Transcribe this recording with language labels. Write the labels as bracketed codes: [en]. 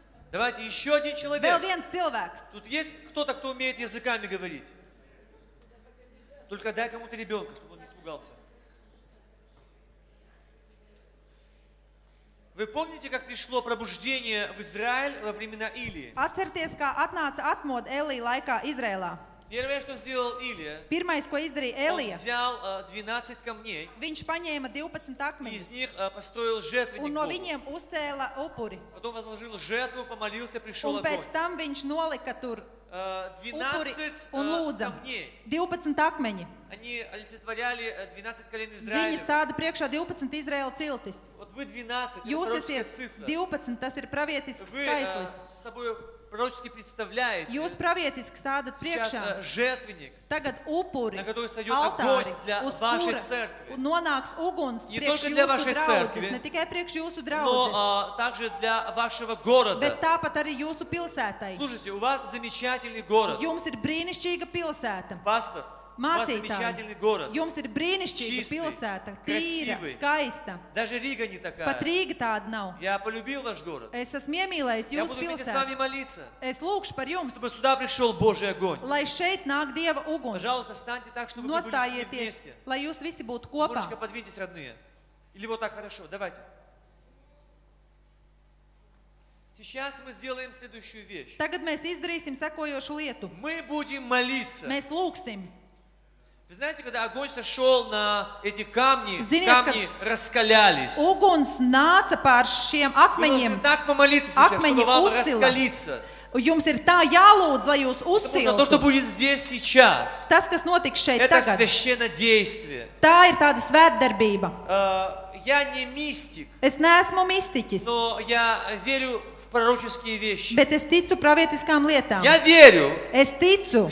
[ru] Давайте еще один человек. [lv] Vēl viens cilvēks. [ru] Тут есть кто-то, кто умеет языками говорить? Только дай кому-то ребенка, чтобы он не испугался. Вы помните, как пришло пробуждение в Израиль во времена Илии? [lv] Atcerieties, kā atnāca atmod Elī laikā Izraēlā. [ru] Первое, что сделал Илия. [lv] Pirmais, ko izdarīja Elija. [ru] Он взял 12 камней. [lv] Viņš paņēma 12 akmeņus. [ru] Из них построил жертвенник. [lv] Un no viņiem uzcēla upuri. [ru] Потом возложил жертву, помолился, пришёл огонь. [lv] Un pēc tam viņš nolika tur 12 akmeņi. [ru] Они олицетворяли 12 колен Израиля. [lv] Viņi stāda priekšā 12 Izraēla ciltis. [ru] Вот вы 12, это пророческая цифра. [lv] 12, tas ir pravietisks skaitlis. [ru] Вы собой пророчески представляете. [lv] Jūs pravietiski stādat priekšā. [ru] Сейчас жертвенник. [lv] Tagad upuri. [ru] На который сойдёт огонь для вашей церкви. [lv] Нонакс уголь приёшь [ru] для вашей церкви. [lv] Не только приёшь jūsu draudzes. [ru] Но также для вашего города. [lv] Bet tāpat arī jūsu pilsētai. [ru] Слушайте, у вас замечательный город. [lv] Jums ir brīnišķīga pilsēta. Pastor. [ru] Замечательный город. [lv] Jums ir brīnišķīga pilsēta, tīra, skaista. [ru] Даже Рига не такая. [lv] Pat Rīga tāda nav. [ru] Я полюбил ваш город. [lv] Es esmu iemīlējis jūsu pilsētu. [ru] Я буду вместе с вами молиться. [lv] Es lūkšu par jums. [ru] Чтобы сюда пришёл Божий огонь. [lv] Lai šeit nāk Dieva uguns. [ru] Пожалуйста, станьте так, чтобы вы были вместе. [lv] Lai jūs visi būtu kopā. [ru] Можешь подвинтесь, родные. Или вот так хорошо. Давайте. Сейчас мы сделаем следующую вещь. [lv] Tagad mēs izdarīsim sekojošu lietu. [ru] Мы будем молиться. [lv] Mēs lūksim. [ru] Вы знаете, когда огонь сошёл на эти камни, камни раскалялись. [lv] Uguns nāca pār šiem akmeņiem. [ru] Так помолиться [lv] Akmeņi [ru] чтобы вам раскалиться. [lv] Jums ir tā jālūdz, lai jūs uzsiltu. [ru] То, что будет здесь сейчас. [lv] Tas, kas notiks šeit [ru] это [lv] tagad. [ru] Это священное действие. [lv] Tā ir tāda svētdarbība. [ru] Я не мистик. [lv] Es neesmu mistiķis. [ru] Но я верю пророческие вещи. [lv] Bet es ticu pravietiskām lietām. [ru] Я верю. [lv] Es ticu.